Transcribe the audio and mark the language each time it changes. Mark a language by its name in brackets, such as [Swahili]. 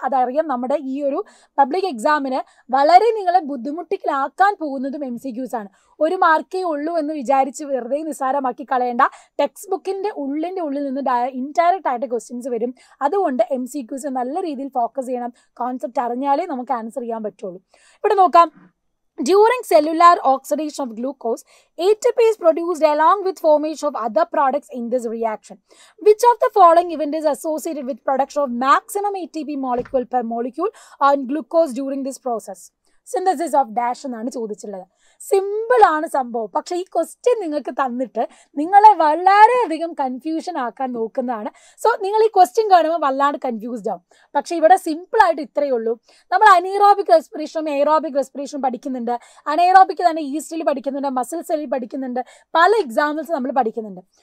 [Malayalam] അതറിയാം, നമ്മുടെ ഈ ഒരു പബ്ലിക് എക്സാമിന് വളരെ നിങ്ങളെ ബുദ്ധിമുട്ടിക്കലാക്കാൻ പോകുന്നതും എം സി ക്യൂസ് ആണ്. ഒരു മാർക്കേ ഉള്ളൂ എന്ന് വിചാരിച്ച് വെറുതെ നിസ്സാരമാക്കി കളയേണ്ട, ടെക്സ്റ്റ് ബുക്കിൻ്റെ ഉള്ളിൻ്റെ ഉള്ളിൽ നിന്ന് ഇൻഡയറക്റ്റ് ആയിട്ട് ക്വസ്റ്റ്യൻസ് വരും. അതുകൊണ്ട് എം സി ക്യൂസ് നല്ല രീതിയിൽ ഫോക്കസ് ചെയ്യണം. കോൺസെപ്റ്റ് അറിഞ്ഞാലേ നമുക്ക് ആൻസർ ചെയ്യാൻ പറ്റുള്ളൂ. ഇവിടെ നോക്കാം. [English] During cellular oxidation of glucose, ATP is produced along with formation of other products in this reaction. Which of the following event is associated with production of maximum ATP molecule per molecule on glucose during this process? Synthesis of dash [Malayalam] എന്നാണ് ചോദിച്ചിട്ടുള്ളത്. സിമ്പിളാണ് സംഭവം, പക്ഷേ ഈ question നിങ്ങൾക്ക് തന്നിട്ട് നിങ്ങളെ വളരെയധികം കൺഫ്യൂഷൻ ആക്കാൻ നോക്കുന്നതാണ്. സോ നിങ്ങൾ ഈ ക്വസ്റ്റ്യൻ കാണുമ്പോൾ വല്ലാണ്ട് കൺഫ്യൂസ്ഡ് ആവും. പക്ഷേ ഇവിടെ സിമ്പിളായിട്ട് ഇത്രയേ ഉള്ളൂ. നമ്മൾ അനീറോബിക് റെസ്പിറേഷനും എയറോബിക് റെസ്പിറേഷനും പഠിക്കുന്നുണ്ട്. അനീറോബിക് തന്നെ ഈസ്റ്റിൽ പഠിക്കുന്നുണ്ട്, മസിൽ സെല്ലിൽ പഠിക്കുന്നുണ്ട്, പല എക്സാമ്പിൾസ് നമ്മൾ പഠിക്കുന്നുണ്ട്.